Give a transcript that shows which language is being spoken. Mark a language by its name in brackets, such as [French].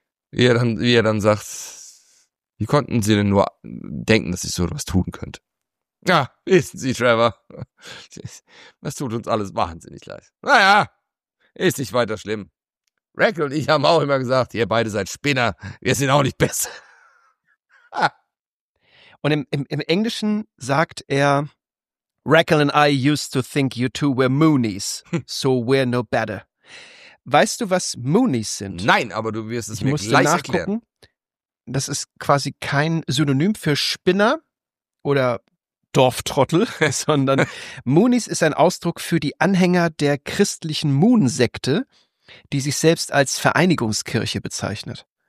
[German] Wie er dann sagt, wie konnten Sie denn nur denken, dass ich so etwas tun könnte? Ja, wissen Sie, Trevor, das tut uns alles wahnsinnig leid. Naja, ist nicht weiter schlimm. Rack und ich haben auch immer gesagt, ihr beide seid Spinner, wir sind auch nicht besser. Und im Englischen sagt er, [English] Rackle and I used to think you two were Moonies, so we're no better. [German] Weißt du, was Moonies sind? Nein, aber du wirst es mir gleich nachgucken. Erklären. Das ist quasi kein Synonym für Spinner oder Dorftrottel, sondern Moonies ist ein Ausdruck für die Anhänger der christlichen Moon-Sekte, die sich selbst als Vereinigungskirche bezeichnet.